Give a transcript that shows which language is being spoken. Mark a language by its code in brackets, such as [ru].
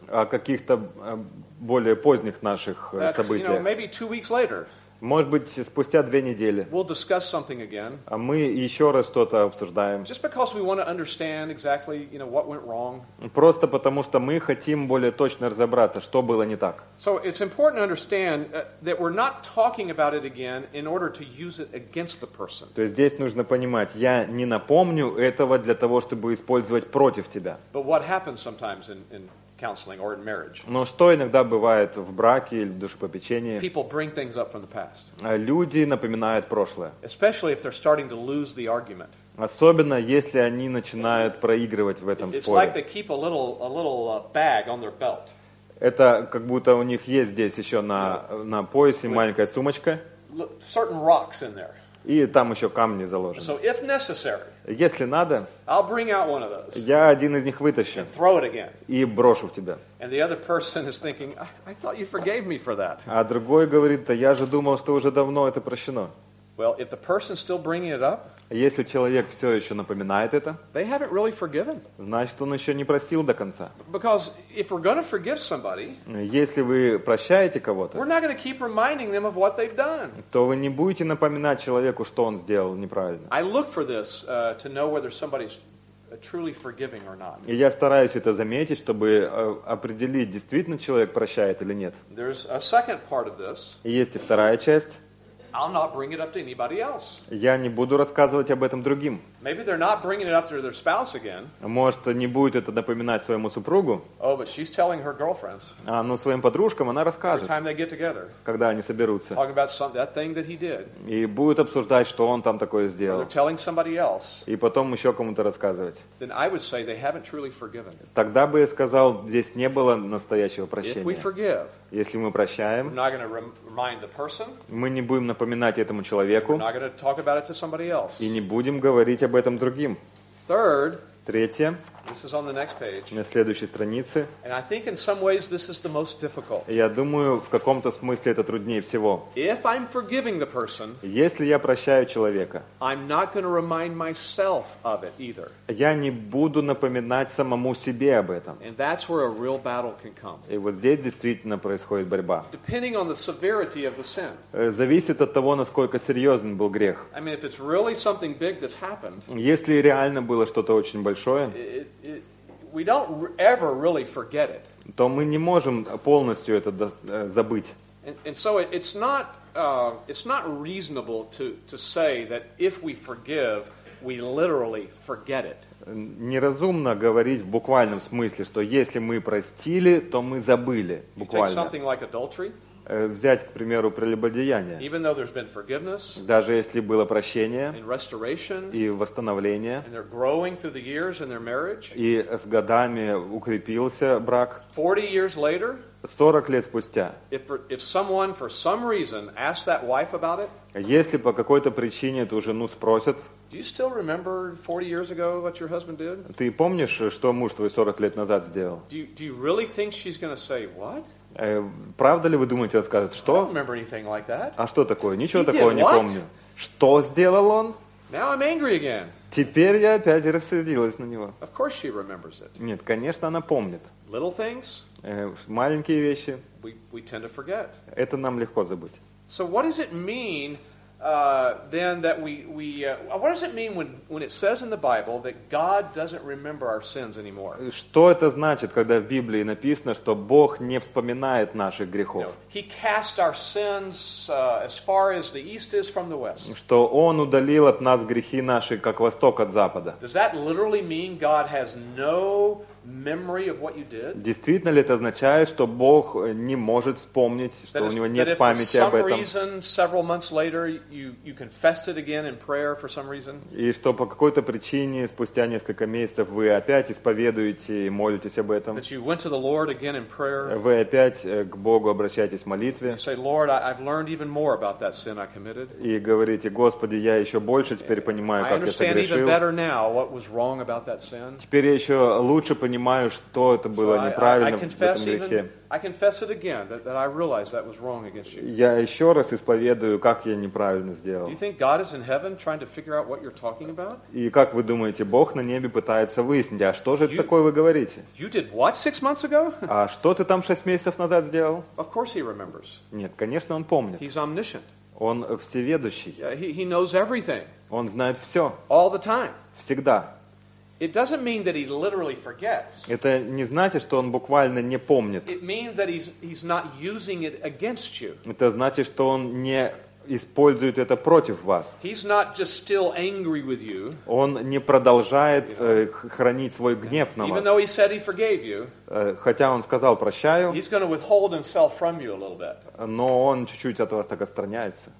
[ru] О каких-то более поздних наших событиях. [en] You know, maybe 2 weeks later. [ru] Может быть, спустя 2 недели. [en] We'll discuss something again. [ru] А мы еще раз что-то обсуждаем. [en] Just because we want to understand exactly, you know, what went wrong. [ru] Просто потому, что мы хотим более точно разобраться, что было не так. [en] So it's important to understand that we're not talking about it again in order to use it against the person. [ru] То есть здесь нужно понимать, я не напомню этого для того, чтобы использовать против тебя. [en] But what happens sometimes in counseling or in marriage. [ru] Но что иногда бывает в браке или в душепопечении? [en] People bring things up from the past. [ru] Люди напоминают прошлое. [en] Especially if they're starting to lose the argument. [ru] Особенно если они начинают проигрывать в этом [en] It's [ru] споре. [en] It's like they keep a little bag on their belt. [ru] Это как будто у них есть здесь еще на поясе маленькая сумочка. [en] Certain rocks in there. [ru] И там еще камни заложены. [en] So if necessary, [ru] если надо, [en] I'll bring out one of those, [ru] я один из них вытащу [en] and throw it again. [ru] И брошу в тебя. [en] And the other person is thinking, I thought you forgave me for that. [ru] А другой говорит, да я же думал, что уже давно это прощено. [en] Well, if the person's still bringing it up, [ru] если человек все еще напоминает это, [en] they haven't really forgiven. [ru] Значит, он еще не просил до конца. [en] Because if we're going to forgive somebody, [ru] если вы прощаете кого-то, [en] we're not going to keep reminding them of what they've done. [ru] То вы не будете напоминать человеку, что он сделал неправильно. [en] I look for this to know whether somebody's truly forgiving or not. [ru] И я стараюсь это заметить, чтобы определить, действительно человек прощает или нет. [en] There's a second part of this. [ru] И есть и вторая часть. [en] I'll not bring it up to anybody else. [ru] Я не буду рассказывать об этом другим. [en] Maybe they're not bringing it up to their spouse again. [ru] Может, не будет это напоминать своему супругу. [en] Oh, but she's telling her girlfriends. [ru] А, ну, своим подружкам она расскажет. [en] Every time they get together. [ru] Когда они соберутся. [en] Talking about that thing that he did. [ru] И будет обсуждать, что он там такое сделал. [en] They're telling somebody else. [ru] И потом еще кому-то рассказывать. [en] Then I would say they haven't truly forgiven. [ru] Тогда бы я сказал, здесь не было настоящего прощения. [en] If we forgive, [ru] если мы прощаем, [en] we're not going to remind the person. [ru] Мы не будем напоминать. напоминать этому человеку и не будем говорить об этом другим. Третье. [en] This is on the next page. [ru] На следующей странице. [en] And I think in some ways this is the most difficult. [ru] Я думаю, в каком-то смысле это труднее всего. [en] If I'm forgiving the person, [ru] если я прощаю человека, [en] I'm not going to remind myself of it either. [ru] Я не буду напоминать самому себе об этом. [en] And that's where a real battle can come. [ru] И вот здесь действительно происходит борьба. [en] Depending on the severity of the sin. [ru] Зависит от того, насколько серьезен был грех. [en] I mean, if it's really something big that's happened. [ru] Если реально было что-то очень большое. [en] We don't ever really forget it. [ru] То мы не можем полностью это забыть. [en] And so it's not reasonable to say that if we forgive, we literally forget it. [ru] Неразумно говорить в буквальном смысле, что если мы простили, то мы забыли буквально. [en] You take something like adultery. [ru] Взять, к примеру, прелюбодеяние. [en] Even though there's been forgiveness, [ru] даже если было прощение [en] and restoration, [ru] и восстановление, [en] and they're growing through the years in their marriage, [ru] и с годами укрепился брак, [en] 40 years later, [ru] 40 лет спустя, [en] if someone for some reason asked that wife about it, [ru] если по какой-то причине эту жену спросят, [en] do you still remember 40 years ago what your husband did? [ru] Ты помнишь, что муж твой 40 лет назад сделал? [en] Do you really think she's going to say what? [ru] Правда ли вы думаете, он скажет, что? [en] I don't remember anything like that. [ru] А что такое? Ничего [en] he [ru] такого [en] did [ru] не [en] what? [ru] Помню. Что сделал он? [en] Now I'm angry again. [ru] Теперь я опять рассердилась на него. [en] Of course she remembers it. [ru] Нет, конечно, она помнит. [en] Little things, [ru] маленькие вещи. [en] We tend to forget. [ru] Это нам легко забыть. [en] So what does it mean? Then that we what does it mean when it says in the Bible that God doesn't remember our sins anymore? [ru] Что это значит, когда в Библии написано, что Бог не вспоминает наших грехов? [en] No, he cast our sins as far as the east is from the west. [ru] Что он удалил от нас грехи наши, как восток от запада? [en] Does that literally mean God has no memory of what you did? [ru] Действительно ли это означает, что Бог не может вспомнить, что [en] that [ru] у него нет памяти об этом? [en] Reason, several months later, you confessed it again in prayer for some reason? [ru] И что по какой-то причине спустя несколько месяцев вы опять исповедуете и молитесь об этом? [en] That you went to the Lord again in prayer? [ru] Вы опять к Богу обращаетесь в молитве? [en] You say, Lord, I've learned even more about that sin I committed. [ru] И говорите, Господи, я еще больше теперь понимаю, как я согрешил. [en] I understand even better now what was wrong about that sin. [ru] Теперь я еще лучше понимаю, что это было неправильно в этом грехе. [en] I confess it again that I realize that was wrong against you. [ru] Я еще раз исповедую, как я неправильно сделал. [en] Do you think God is in heaven trying to figure out what you're talking about? [ru] И как вы думаете, Бог на небе пытается выяснить, а что же это такое вы говорите? [en] You did what 6 months ago? [ru] А что ты там 6 месяцев назад сделал? [en] Of course he remembers. [ru] Нет, конечно, он помнит. [en] He's omniscient. [ru] Он всеведущий. [en] Yeah, he knows everything. [ru] Он знает все. [en] All the time. [ru] Всегда. [en] It doesn't mean that he literally forgets. [ru] Это не значит, что он буквально не помнит. [en] It means that he's not using it against you. [ru] Это значит, что он не использует это против вас. [en] He's not just still angry with you. [ru] Он не продолжает хранить свой гнев на вас. [en] Even though he said he forgave you. [ru] Хотя он сказал прощаю. [en] He's going to withhold himself from you a little bit. [ru] Но он чуть-чуть от вас так отстраняется.